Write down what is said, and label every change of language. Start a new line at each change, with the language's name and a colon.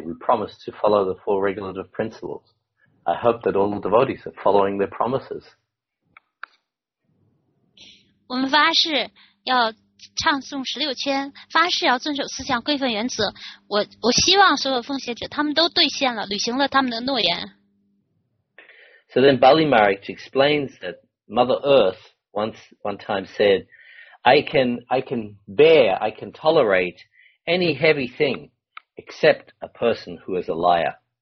English: We promise to follow the four regulative principles. I hope that all the devotees are following their promises.
Chinese: 我们发誓要唱诵十六圈，发誓要遵守四项规范原则。我希望所有奉献者他们都兑现了，履行了他们的诺言。
English: So then Bali Maharaj explains that Mother Earth one time said, I can tolerate any heavy thing except a person who is a liar.